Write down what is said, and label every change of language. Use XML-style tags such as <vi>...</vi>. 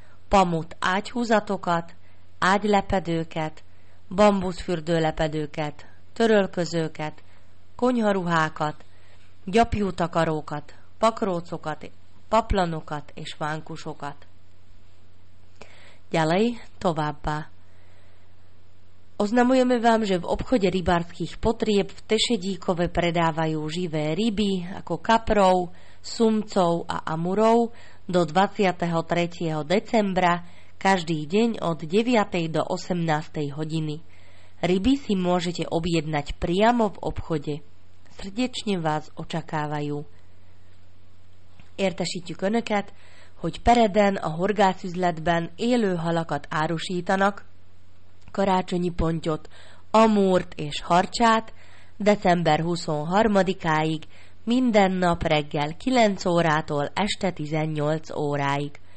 <hu>pamut ágyhúzatokat, ágylepedőket, bambuszfürdőlepedőket, törölközőket, konyharuhákat, gyapjú takarókat, pakrócokat, paplanokat és vánkusokat.</hu> <sk>Ďalej,</sk> <hu>továbbá.</hu> <sk>Oznamujeme vám, že v obchode rybárskych potrieb v Tešedíkove predávajú živé ryby ako kaprov, sumcov a amurov do 23. decembra každý deň od 9. do 18. hodiny. Ryby si môžete objednať priamo v obchode. Srdečne vás očakávajú.</sk> <hu>Értesítjük önöket, hogy Pereden a horgászüzletben élő halakat árusítanak, karácsonyi pontyot, amúrt és harcsát december 23-áig minden nap reggel 9 órától este 18 óráig.</hu>